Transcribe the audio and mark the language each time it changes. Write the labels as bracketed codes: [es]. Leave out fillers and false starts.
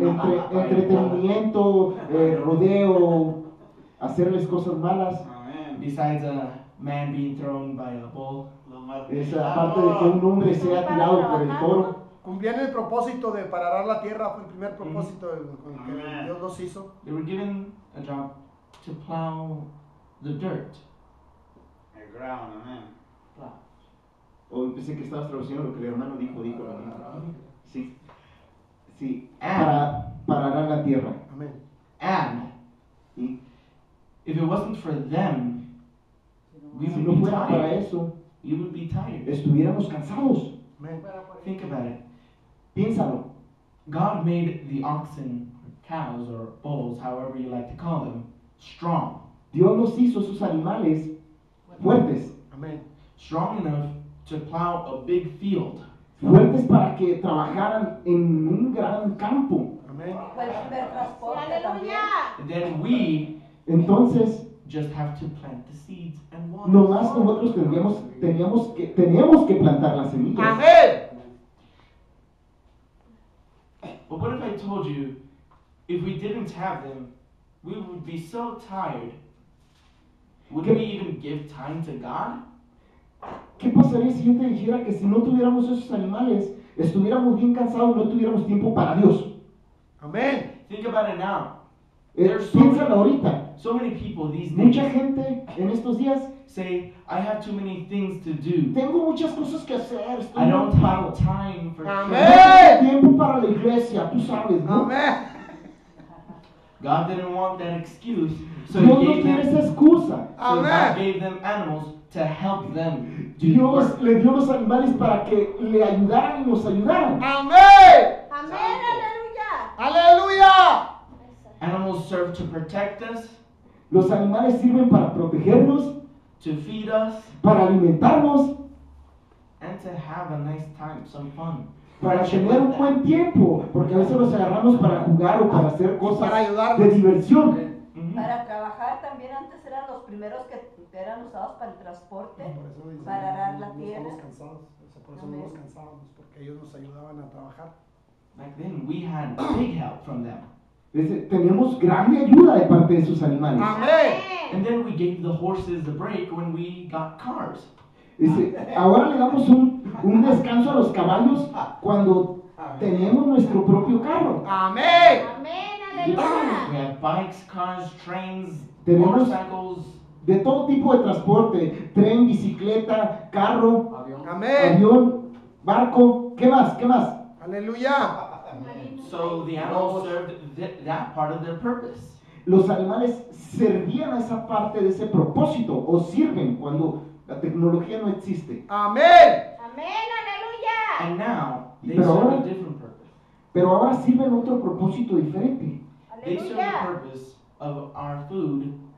[es] Entretenimiento, rodeo, hacerles cosas malas. [en] Amen. Besides a man being thrown by a bull. [es] Es aparte de que un hombre sea tirado por el toro. Cumplían el propósito de parar la tierra, fue el primer propósito con que Dios los hizo. [en] They were given a job to plow the dirt. The ground, amen. Plow. [es] Oh, pensé que estabas traduciendo lo que el hermano dijo. Sí. Sí. [en] And, [es] para parar la tierra. [en] Amen. And, if it wasn't for them, we [es] si [en] would [es] no [en] be tired. [es] Para eso, [en] you would be tired. [es] Estuviéramos cansados. [en] Amen. Think about it. [es] Piénsalo. [en] God made the oxen, cows, or bulls, however you like to call them, strong. [es] Dios los hizo sus animales fuertes. [en] Amen. Strong enough to plow a big field. [es] Fuertes para que trabajaran en un gran campo. [en] Amen. [es] Aleluya. [en] Then we, [es] entonces, [en] just have to plant the seeds and water. [es] Nomás nosotros teníamos que plantar las semillas. [en] Amen. But what if I told you, if we didn't have them, we would be so tired, Would we even give time to God? [es] ¿Qué pasaría si yo te dijera que si no tuviéramos esos animales, estuviéramos bien cansados y no tuviéramos tiempo para Dios? Amén. [en] Think about it now. [es] Piénsalo ahorita. [en] So many people these days. [es] Mucha gente en estos días [en] say, I have too many things to do. [es] Tengo muchas cosas que hacer. [en] I don't have time for. [es] Amén. Tiempo para la iglesia, tú sabes, ¿no? Amén. [en] God didn't want that excuse, so [es] Dios [en] he gave [es] no [en] them. [es] Esa excusa. [en] So God gave them animals to help them. Do [es] Dios [en] work. [es] Le dio los animales para que le ayudaran y nos ayudaran. Amén. Amén. Aleluya. Aleluya. [en] Animals serve to protect us. [es] Los animales sirven para protegernos. [en] To feed us. [es] Para alimentarnos. [en] And to have a nice time, some fun. [es] Para tener un buen tiempo, porque a veces los agarramos para jugar o para hacer cosas de diversión. Para trabajar también, antes eran los primeros que eran usados para el transporte, para arar la tierra. Por eso no nos cansábamos, porque ellos nos ayudaban a trabajar. [en] Back then we had big help from them. [es] Teníamos grande ayuda de parte de esos animales. Amén. [en] And then we gave the horses the break when we got cars. [es] Dice, ahora le damos un descanso a los caballos cuando tenemos nuestro propio carro. Amén. Amén, aleluya. [en] We have bikes, cars, trains, motorcycles. [es] De todo tipo de transporte, tren, bicicleta, carro, avión. Amén. Avión, barco, ¿qué más? ¿Qué más? Aleluya. [en] So the animals served that part of their purpose. [es] Los animales servían a esa parte de ese propósito o sirven cuando la tecnología no existe. Amén. Amén, aleluya. [en] And now they serve a different purpose. [es] Pero ahora sirven otro propósito diferente. [en] Aleluya. They serve the purpose of our food.